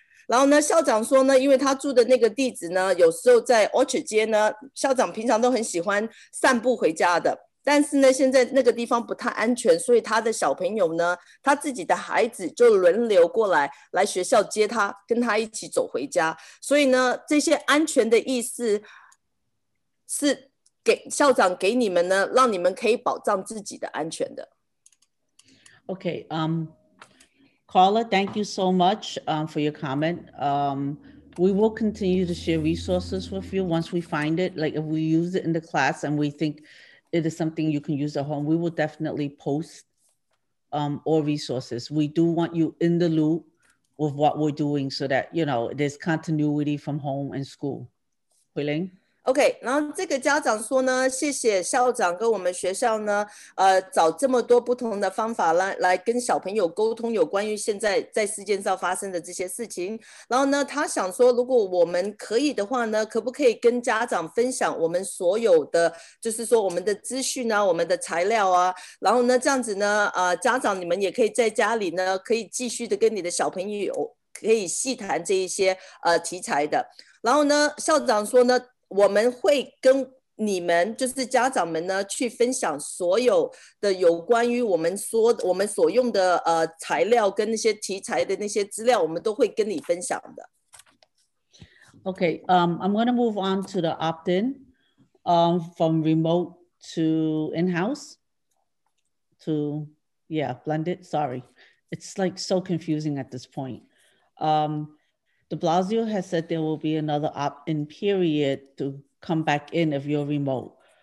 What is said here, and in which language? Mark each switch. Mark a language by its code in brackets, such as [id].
[zh] 然后呢校长说呢，因为他住的那个地址呢，有时候在 Orchard 街呢，校长平常都很喜欢散步回家的，但是呢现在那个地方不太安全，所以他的小朋友呢，他自己的孩子就轮流过来来学校接他，跟他一起走回家。所以呢这些安全的意思是给校长给你们呢，让你们可以保障自己的安全的。 [en] OK, Carla, thank you so much for your comment. We will continue to share resources with you once we find it. Like if we use it in the class and we think it is something you can use at home, we will definitely post all resources. We do want you in the loop with what we're doing so that, you know, there's continuity from home and school. Hui Ling? [zh] OK, 然后这个家长说呢，谢谢校长跟我们学校呢，找这么多不同的方法 来跟小朋友沟通有关于现在在世界上发生的这些事情。然后呢，他想说如果我们可以的话呢，可不可以跟家长分享我们所有的，就是说我们的资讯啊，我们的材料啊，然后呢，这样子呢，家长你们也可以在家里呢，可以继续的跟你的小朋友可以细谈这一些题材的。然后呢，校长说呢，我们会跟你们就是家长们呢去分享所有的有关于我们说我们所用的材料跟那些题材的那些资料我们都会跟你分享的。 [en] OK, I'm going to move on to the opt-in from remote to in-house to blended. Sorry, it's like so confusing at this point. De Blasio has said there will be another opt-in period to come back in if you're remote.